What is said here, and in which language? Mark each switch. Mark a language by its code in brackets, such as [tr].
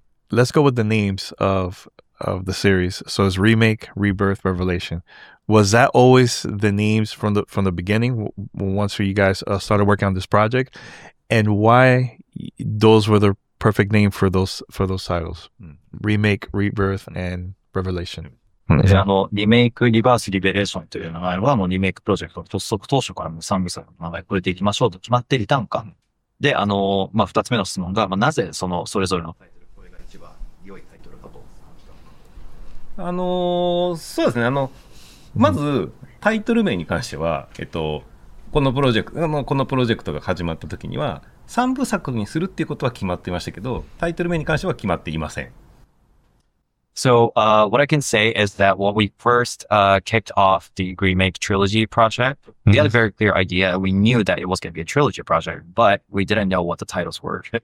[en] Let's go with the names of the series. So it's Remake, Rebirth, Revelation. Was that always the names from the beginning once you guys started working on this project? And why those were the perfect name for those titles? Remake, Rebirth, and Revelation. [ja] リメイク、リバース、リベレーションという名前は、リメイクプロジェクト、発足当初から3部作の名前を超えていきましょうと決まっていたんか。で、2つ目の質問が、なぜそのそれぞれのタイトル、これが一番良いタイトルかと。そうですね、まず、タイトル名に関しては、このプロジェクト、このプロジェクトが始まったときには、3部作にするっていうことは決まっていましたけど、タイトル名に関しては決まっていません。 [en] So, what I can say is that when we first, kicked off the Remake Trilogy project, mm-hmm. we had a very clear idea. We knew that it was going to be a trilogy project, but we didn't know what the titles were.